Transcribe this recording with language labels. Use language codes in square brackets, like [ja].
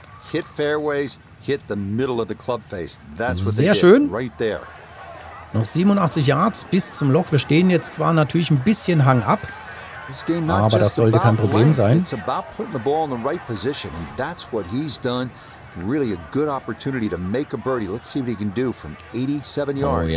[en] Hit fairways, hit the middle of the club face. That's what they did right there. [de] Noch 87 Yards bis zum Loch. Wir stehen jetzt zwar natürlich ein bisschen Hang ab, aber das sollte kein Problem sein. [en] It's about putting the ball in the right position, and that's what he's done. Really a good opportunity to make a birdie. Let's see what he can do from 87 yards.